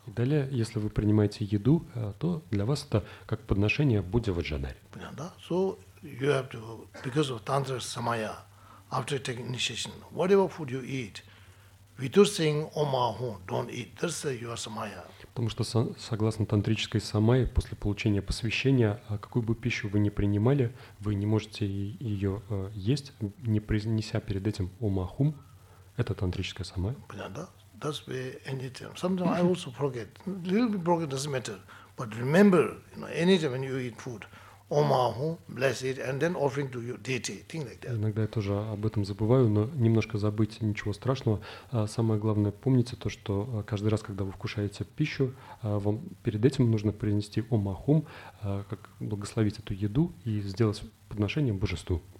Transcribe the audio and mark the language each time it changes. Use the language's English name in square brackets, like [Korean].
[Russian] И далее, если вы принимаете еду, то для вас это как подношение Будде Ваджадаре. Понял, да? [English] So, you have to, because of Tantra Samaya, after taking initiation, whatever food you eat, without saying Om Aho, don't eat. That's your samaya. [Russian] Потому что согласно тантрической самайе, после получения посвящения, какую бы пищу вы ни принимали, вы не можете ее есть, не произнеся перед этим Om Aho. Это тантрическая самайя. Понятно? [English] That's the any time. Sometimes I also forget. Little bit broken doesn't matter. But remember, you know, any time when you eat food, Om Aho, bless it, and then offering to your deity, thing like that. [Russian] Иногда я тоже об этом забываю, но немножко забыть ничего страшного. Самое главное, помните то, что каждый раз, когда вы вкушаете пищу, вам перед этим нужно принести Om Aho, как благословить эту еду и сделать подношение божеству.